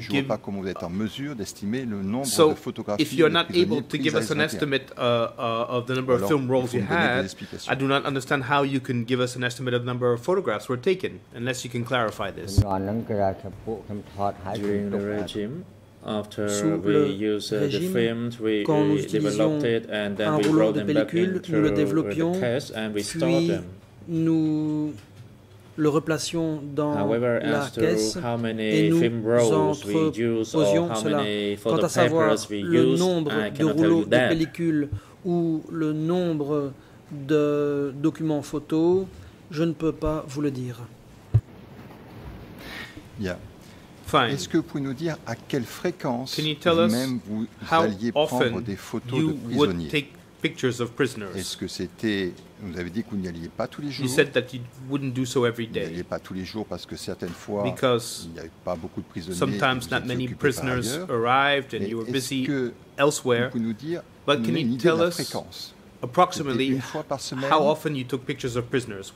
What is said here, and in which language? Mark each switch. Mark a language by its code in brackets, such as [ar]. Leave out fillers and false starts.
[fr] Je ne vois pas comment vous êtes en mesure d'estimer le nombre de photographies de prisonniers prises à l'intérieur. [en] So, if you're not able to give us an estimate of the number of film rolls you had, I do not understand how you can give us an estimate of the number of photographs were taken, unless you can clarify this. During the regime, after we used the films, we developed it, and then we brought them back into the test, and we stored them. [fr] Nous le replacions dans la caisse et nous entreposions cela. Quant à savoir le nombre de rouleaux de pellicules ou le nombre de documents photos, je ne peux pas vous le dire. [en] Fine. [fr] Est-ce que vous pouvez nous dire à quelle fréquence vous-même vous alliez prendre des photos de prisonniers? [en] Pictures of prisoners. [fr] Est-ce que c'était, vous avez dit que vous n'y alliez pas tous les jours. [en] You said that you wouldn't do so every day. [fr] Vous n'y alliez pas tous les jours parce que certaines fois, because il n'y avait pas beaucoup de prisonniers. [en] Sometimes not many prisoners arrived and you were busy elsewhere. Vous nous dire, but can you tell us approximately how often you took pictures of prisoners?